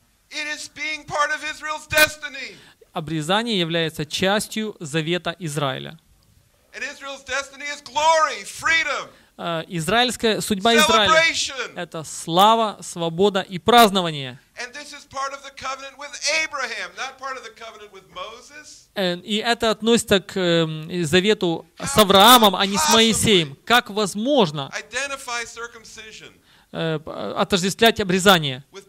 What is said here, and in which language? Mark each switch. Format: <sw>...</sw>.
<en>It is being part of Israel's destiny.</en> <ru>Обрезание является частью завета Израиля.</ru> <en>And Israel's destiny is glory, freedom.</en> <ru>Израильская судьба Израиля — это слава, свобода и празднование.</ru> <en>And this is part of the covenant with Abraham, not part of the covenant with Moses.</en> <ru>И это относится к завету с Авраамом, а не с Моисеем. Как возможно</ru> <en>identify circumcision?</en> <ru>Отождествлять обрезание</ru>